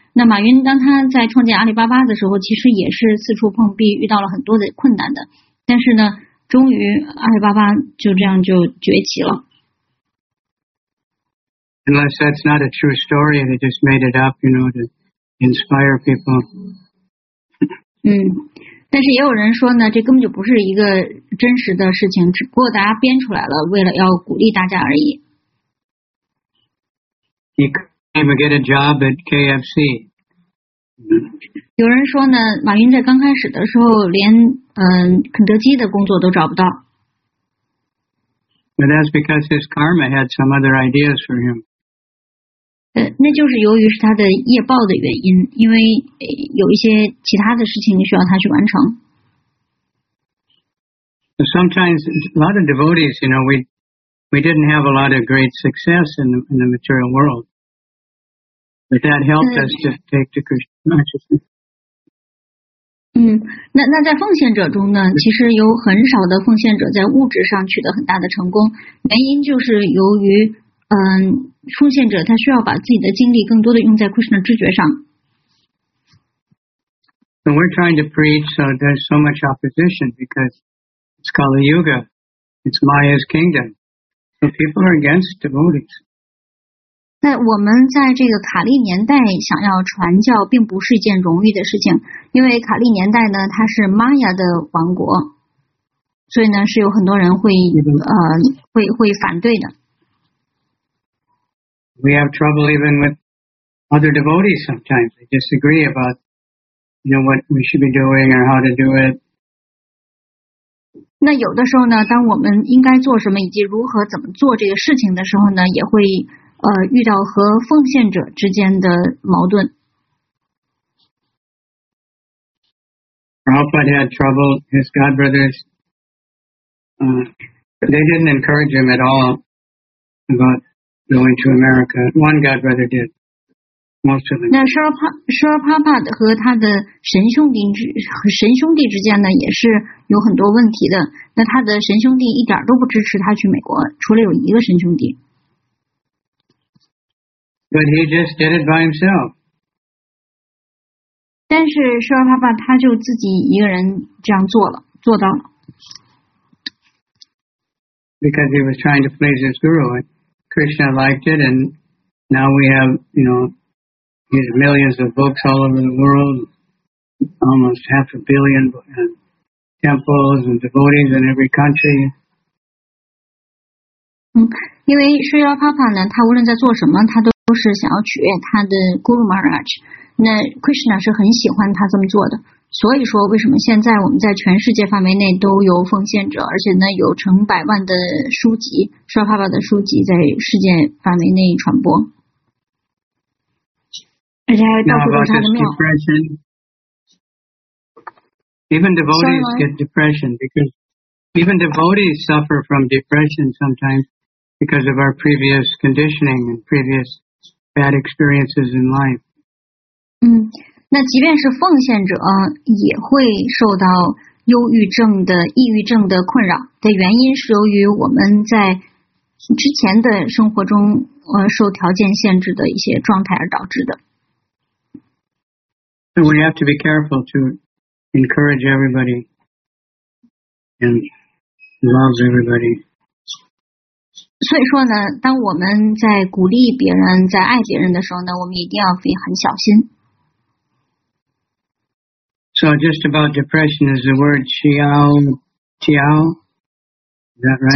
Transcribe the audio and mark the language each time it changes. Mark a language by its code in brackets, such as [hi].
[zh] 那马云当他在创建阿里巴巴的时候，其实也是四处碰壁，遇到了很多的困难的。但是呢，终于阿里巴巴就这样就崛起了。 [en] Unless that's not a true story, they just made it up, you know, to inspire people. [zh] 但是也有人说呢，这根本就不是一个真实的事情，只不过大家编出来了，为了要鼓励大家而已。 [en] He came to get a job at KFC. [zh] 有人说呢，马云在刚开始的时候连肯德基的工作都找不到。 [en] But that's because his karma had some other ideas for him. [zh] 那就是由于是他的业报的原因，因为有一些其他的事情需要他去完成。 [en] Sometimes a lot of devotees, you know, we didn't have a lot of great success in the material world, but that helped us to take to Krishna consciousness. [zh] 那在奉献者中呢，其实有很少的奉献者在物质上取得很大的成功，原因就是由于奉献者他需要把自己的精力更多的用在 Krishna 知觉上。 [en] So we're trying to preach, so there's so much opposition because it's Kali Yuga, it's Maya's kingdom, so people are against devotees. [zh] 那我们在这个卡利年代想要传教，并不是一件容易的事情，因为卡利年代呢，它是 Maya 的王国，所以呢，是有很多人会反对的。 [en] We have trouble even with other devotees sometimes. They disagree about, you know, what we should be doing or how to do it. [zh] 那有的时候呢，当我们应该做什么以及如何怎么做这个事情的时候呢，也会遇到和奉献者之间的矛盾。 [en] Prabhupada had trouble. His godbrothers, they didn't encourage him at all about. Going to America, one godbrother did. Most of them. [zh] 那舍尔帕帕的和他的神兄弟之间呢，也是有很多问题的。那他的神兄弟一点都不支持他去美国，除了有一个神兄弟。 [en] But he just did it by himself. [zh] 但是舍尔帕帕他就自己一个人这样做了，做到了。 [en] Because he was trying to please his guru. Krishna liked it, and now we have, you know, these millions of books all over the world, almost half a billion temples and devotees in every country. [zh] 因为 Sri Rupa 呢，他无论在做什么，他都是想要取悦他的 Guru Maharaj。那 Krishna 是很喜欢他这么做的，所以说为什么现在我们在全世界范围内都有奉献者，而且呢有成百万的书籍，舍尔帕帕的书籍在世界范围内传播，而且还到处都是他的庙。 [en] Even devotees get depression because even devotees suffer from depression sometimes because of our previous conditioning and previous bad experiences in life. [zh] 那即便是奉献者也会受到忧郁症的抑郁症的困扰的原因是由于我们在之前的生活中受条件限制的一些状态而导致的。 [en] So we have to be careful to encourage everybody and love everybody. [zh] 所以说呢，当我们在鼓励别人在爱别人的时候呢，我们一定要非很小心。 [en] So just about depression is the word qiao, qiao, is that right?